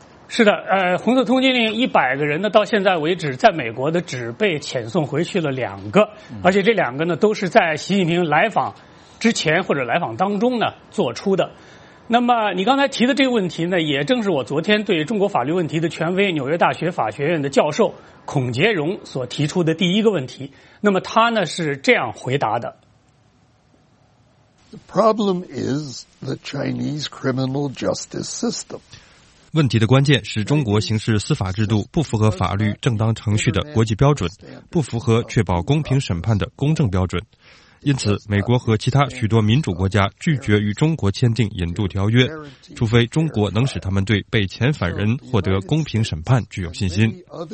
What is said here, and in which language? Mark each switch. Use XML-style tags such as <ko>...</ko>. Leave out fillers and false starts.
<zh>是的，红色通缉令100个人呢到现在为止在美国的只被遣送回去了两个，而且这两个呢都是在习近平来访之前或者来访当中呢做出的。那么你刚才提的这个问题呢也正是我昨天对中国法律问题的权威纽约大学法学院的教授孔杰荣所提出的第一个问题。那么他呢是这样回答的。</zh> <en>The problem is the Chinese criminal justice system.</en> <zh>问题的关键是中国刑事司法制度不符合法律正当程序的国际标准，不符合确保公平审判的公正标准。因此，美国和其他许多民主国家拒绝与中国签订引渡条约，除非中国能使他们对被遣返人获得公平审判具有信心。</zh>